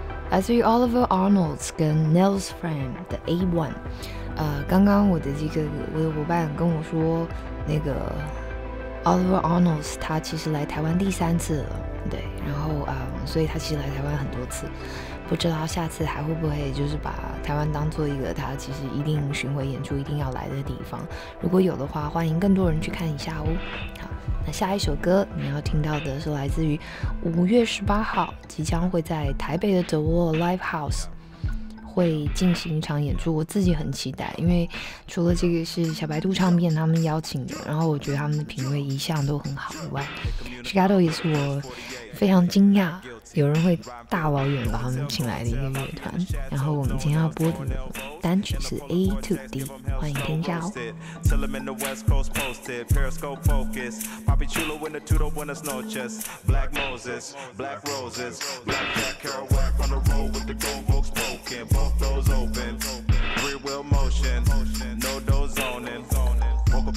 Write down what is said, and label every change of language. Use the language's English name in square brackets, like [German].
[Chinese] 来自于 Oliver Arnolds 跟 Nils Frand 的 A1。刚刚我的这个我的伙伴跟我说，那个 Oliver Arnolds 他其实来台湾第三次了，对，然后所以他其实来台湾很多次，不知道下次还会不会就是把台湾当做一个他其实一定巡回演出一定要来的地方，如果有的话欢迎更多人去看一下哦。那下一首歌你要听到的是来自于5月18号即将会在台北的 The Wall Live House 会进行一场演出，我自己很期待，因为除了这个是小白兔唱片他们邀请的，然后我觉得他们的品味一向都很好以外， Chicago 也是我非常惊讶有人会大老远把他们请来的一个乐团。然后我们今天要播的单曲是 A to D， 欢迎添加哦。 [English] Tell them in the West Coast posted, Periscope focus, Papi Chulo in the Tudor Buenos Noches, Black Moses, Black Roses, Black Jack Kerouac on the road with the gold books broken, both doors open, rear wheel motion, no doors zoning, woke up